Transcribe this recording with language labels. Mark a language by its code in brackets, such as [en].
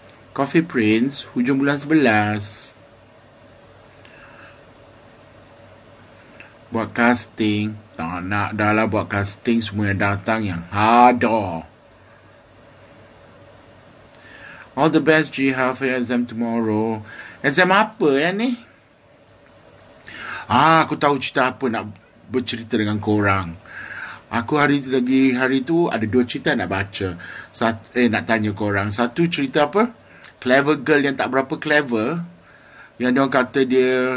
[ms] Coffee Prince, hujung bulan 11. Buat casting. Tak nak dah lah buat casting. Semua yang datang yang ada. [en] All the best, Jiha, for your exam tomorrow. [ms] Exam apa ya ni? Ah, aku tahu cerita apa nak bercerita dengan korang. Aku hari tu lagi hari tu ada dua cerita nak baca. Satu, nak tanya korang. Satu cerita apa? [en] Clever girl [ms] yang tak berapa clever. Yang dia orang kata dia...